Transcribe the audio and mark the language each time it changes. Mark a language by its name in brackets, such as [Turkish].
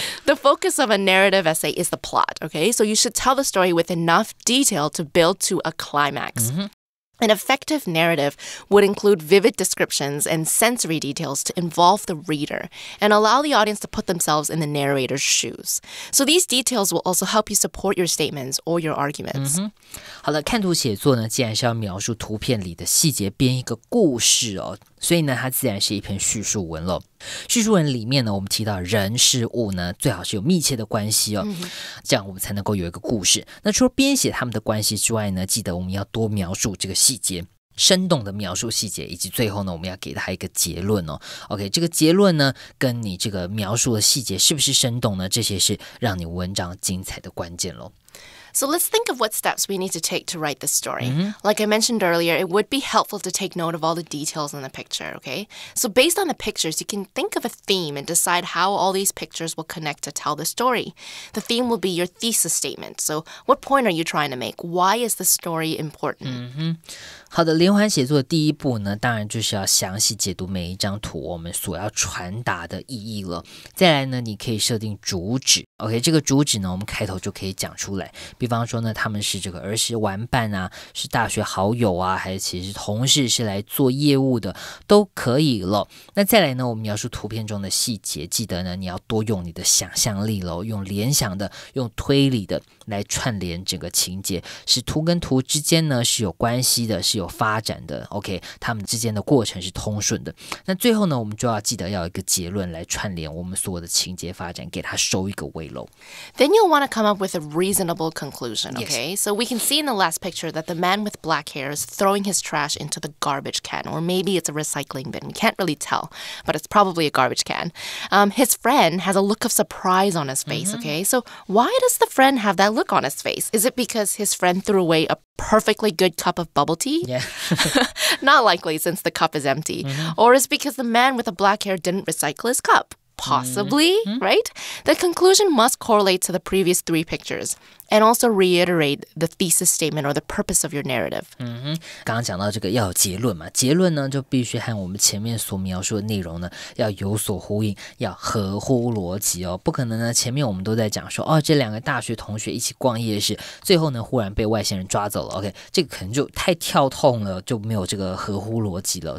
[English] The focus of a narrative essay is the plot, okay? So you should tell the story with enough detail to build to a climax. Mm-hmm. An effective narrative would include vivid descriptions and sensory details to involve the reader and allow the audience to put themselves in the narrator's shoes. So these details will also help you support your statements or your arguments. Mm-hmm. [Chinese] 好了，看图写作呢，既然是要描述图片里的细节，编一个故事哦，所以呢，它自然是一篇叙述文了。叙述文里面呢，我们提到人事物呢，最好是有密切的关系哦，这样我们才能够有一个故事。那除了编写他们的关系之外呢，记得我们要多描述这个细节。生动的描述细节，以及最后呢，我们要给他一个结论哦。 OK， 这个结论呢，跟你这个描述的细节是不是生动呢？这些是让你文章精彩的关键咯。 [English] So let's think of what steps we need to take to write this story. Mm-hmm. Like I mentioned earlier, it would be helpful to take note of all the details in the picture, okay? So based on the pictures, you can think of a theme and decide how all these pictures will connect to tell the story. The theme will be your thesis statement. So what point are you trying to make? Why is the story important? Mm-hmm. [Chinese] 好的，连环写作的第一步呢，当然就是要详细解读每一张图我们所要传达的意义了。再来呢，你可以设定主旨 ，OK， 这个主旨呢，我们开头就可以讲出来。比方说呢，他们是这个儿时玩伴啊，是大学好友啊，还是其实同事，是来做业务的，都可以了。那再来呢，我们描述图片中的细节，记得呢，你要多用你的想象力了，用联想的，用推理的来串联整个情节，使图跟图之间呢是有关系的，是有。发展的 OK， 他们之间的过程是通顺的。那最后呢，我们就要记得要一个结论来串联我们所有的情节发展，给他收一个尾楼。 [English] Then you'll want to come up with a reasonable conclusion, OK?、 Yes. So we can see in the last picture that the man with black hair is throwing his trash into the garbage can, or maybe it's a recycling bin. We can't really tell, but it's probably a garbage can. His friend has a look of surprise on his face,、mm-hmm. OK? So why does the friend have that look on his face? Is it because his friend threw away a perfectly good cup of bubble tea? Yeah. Not likely, since the cup is empty. Mm-hmm. Or is it because the man with the black hair didn't recycle his cup? Possibly, mm-hmm. right? The conclusion must correlate to the previous three pictures. And also reiterate the thesis statement or the purpose of your narrative. [Chinese] 嗯哼，刚刚讲到这个要有结论嘛，结论呢就必须和我们前面所描述的内容呢要有所呼应，要合乎逻辑哦。不可能呢，前面我们都在讲说哦，这两个大学同学一起逛夜市，最后呢忽然被外星人抓走了。 OK， 这个可能就太跳痛了，就没有这个合乎逻辑了。